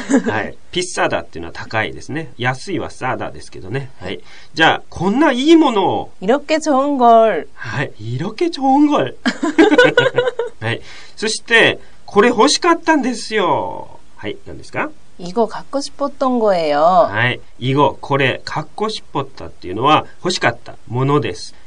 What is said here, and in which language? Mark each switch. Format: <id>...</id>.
<ja>はい、ピッサーダっていうのは高いですね。安いはサーダですけどね。はい、じゃあこんないいものを。</ja> <ko>이렇게좋은걸。はい、이렇게좋은걸。</ko> <ja>はい、そしてこれ欲しかったんですよ。はい、何ですか？</ja> <ko>이거갖고싶었던거예요。</ko> <ja>はい、</ja> <ko>이거</ko> <ja>これ</ja> <ko>갖고싶었다</ko> <ja>っていうのは欲しかったものです。</ja>